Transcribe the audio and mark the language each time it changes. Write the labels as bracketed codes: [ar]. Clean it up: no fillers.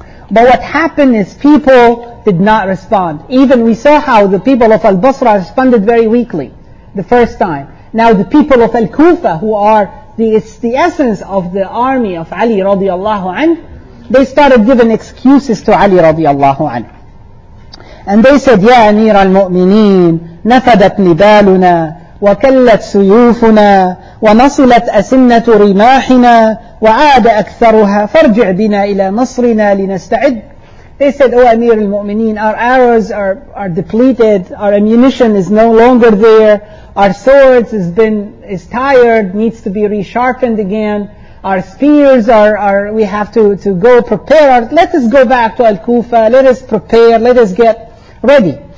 [en] But what happened is people did not respond. Even we saw how the people of al-Basra responded very weakly the first time. Now the people of al-Kufa, who are the essence of the army of Ali radiallahu anhu, they started giving excuses to Ali radiallahu anhu. And they said, [ar] يَا أَمِيرَ الْمُؤْمِنِينَ نَفَدَتْ نِبَالُنَا وَكَلَّتْ سُيُوفُنَا وَنَصِلَتْ أَسِنَّةُ رِمَاحِنَا وَعَادَ أَكْثَرُهَا فَارْجِعْ بِنَا إِلَى مَصْرِنَا لِنَسْتَعِدْ. [en] They said, O Amir al-Mu'mineen, our arrows are depleted, our ammunition is no longer there, our swords is tired, needs to be resharpened again, our spears we have to go prepare. Let us go back to Al-Kufa, let us prepare, let us get ready.